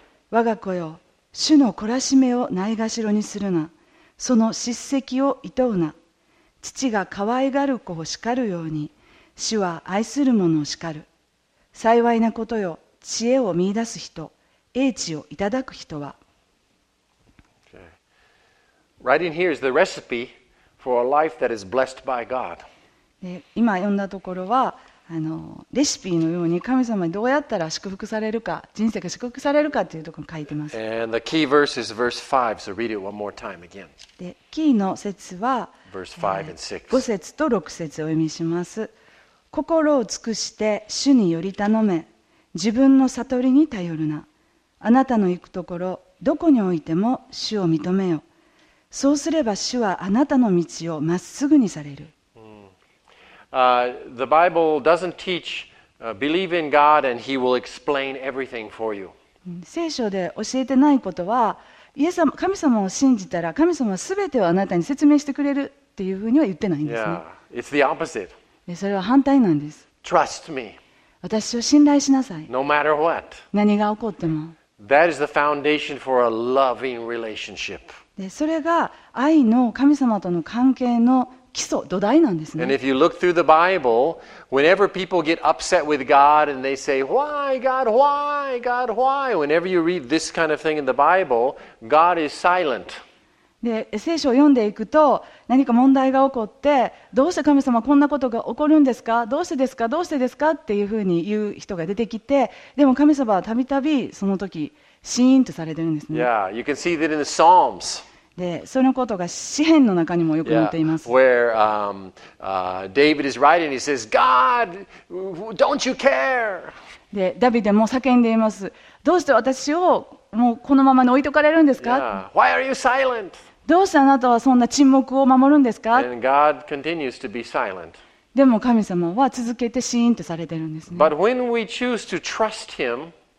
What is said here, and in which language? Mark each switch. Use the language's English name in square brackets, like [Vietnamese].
[Japanese] 我が子よ、主の懲らしめをないがしろにするな。その叱責をいとうな。父が可愛がる子を叱るように、主は愛する者を叱る。幸いなことよ、知恵を見出す人、英知をいただく人は。 [English] Right in here is the recipe for a life that is blessed by God. [Japanese] 今読んだところはレシピのように、神様にどうやったら祝福されるか、人生が祝福されるかというところに書いてます。 [English] And the key verse is verse 5, so read it one more time again. [Japanese] で、キーの節は [English] verse 5 and 6. [Japanese] 5節と6節を読みします。心を尽くして主により頼め、自分の悟りに頼るな。あなたの行くところどこにおいても主を認めよ。そうすれば主はあなたの道をまっすぐにされる。 [English] The Bible doesn't teach believe in God and He will explain everything for you. [Japanese] 聖書で教えてないことは、イエス様、神様を信じたら神様はすべてをあなたに説明してくれるっていうふうには言ってないんですね。 [English] Yeah, it's the opposite. [Japanese] で、それは反対なんです。 [English] Trust me. [Japanese] 私を信頼しなさい。 [English] No matter what. [Japanese] 何が起こっても。 [English] That is the foundation for a loving relationship. [Japanese] で、それが愛の神様との関係の基礎、土台なんですね。 [English] And if you look through the Bible, whenever people get upset with God and they say, "Why, God? Why, God? Why?" Whenever you read this kind of thing in the Bible, God is silent. [Japanese] で、聖書を読んでいくと、何か問題が起こって、どうして神様こんなことが起こるんですか？どうしてですか？どうしてですか？っていうふうに言う人が出てきて、でも神様はたびたびその時、シーンとされてるんですね。 [English] Yeah, you can see that in the Psalms. [Japanese] でそのことが詩篇の中にもよく載っています。 [English] Yeah. Where, David is writing, he says, God, don't you care? [Japanese] でダビデも叫んでいます。どうして私をもうこのままに置いとかれるんですか、 [English] yeah. Why are you silent? [Japanese] どうしてあなたはそんな沈黙を守るんですか。 [English] And God continues to be silent. [Japanese] でも神様は続けてシーンとされてるんですね。 [English] But when we choose to trust him,